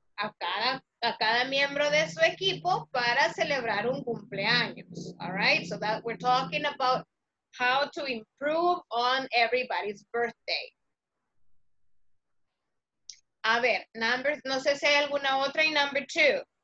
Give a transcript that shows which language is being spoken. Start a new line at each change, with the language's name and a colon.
Spanish: A cada miembro de su equipo para celebrar un cumpleaños.
English: All right? So that we're talking about how to improve on everybody's birthday.
Spanish: A ver, number, no sé si hay alguna otra y number two.